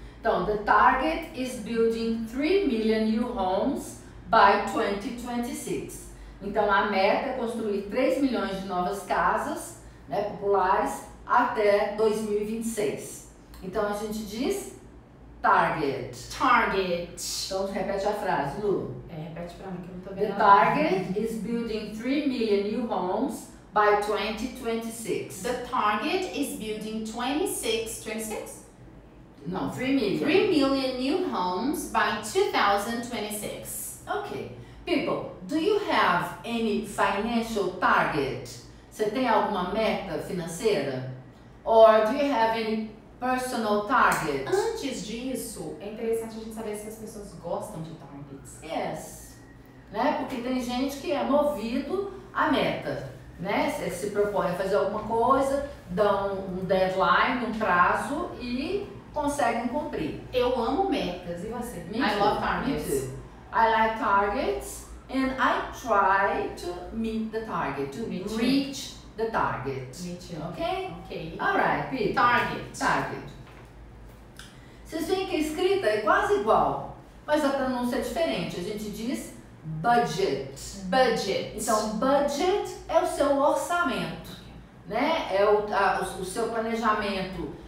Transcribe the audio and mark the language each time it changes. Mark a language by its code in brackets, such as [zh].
[pt] Então, [en] the target is building 3 million new homes by 2026. [pt] Então, a meta é construir 3 milhões de novas casas, né, populares, até 2026. Então a gente diz target. [en] Target. [pt] Então repete a frase, Lu. Repete pra mim que eu não tô vendo. [en] The target is building 3 million new homes by 2026. The target is building 26. 26? [pt] Não, [en] 3 million. 3 million new homes by 2026. Okay. People, do you have any financial target? [pt] Você tem alguma meta financeira? [en] Or do you have any personal target? [pt] Antes disso, é interessante a gente saber se as pessoas gostam de targets. [en] Yes. Né? [pt] Porque tem gente que é movido à meta. Né? Se propõe a fazer alguma coisa, dão um deadline, um prazo e conseguem cumprir. Eu amo metas. E você? [en] Me too. I love targets. Me too. I like targets and I try to meet the target, to reach the target. Me too. Ok? Ok. Alright, Peter. Target. Target. [pt] Vocês veem que a escrita é quase igual, mas a pronúncia é diferente. A gente diz budget. [en] Budget. [pt] Então, budget é o seu orçamento, né? É o seu planejamento